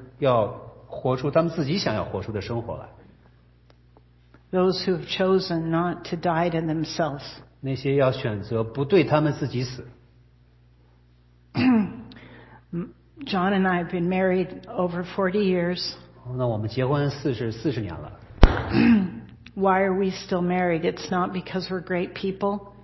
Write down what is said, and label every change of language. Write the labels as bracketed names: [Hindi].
[Chinese] 这原因就是像我们今天早上米勒弟兄他所分享的，他们要活出他们自己想要活出的生活来。 [English] Those who have chosen not to die to themselves. [Chinese] 那些要选择不对他们自己死。 [English] John and I have been married over 40 years. [Chinese] 那我们结婚40年了。 [English] Why are we still married? It's not because we're great people.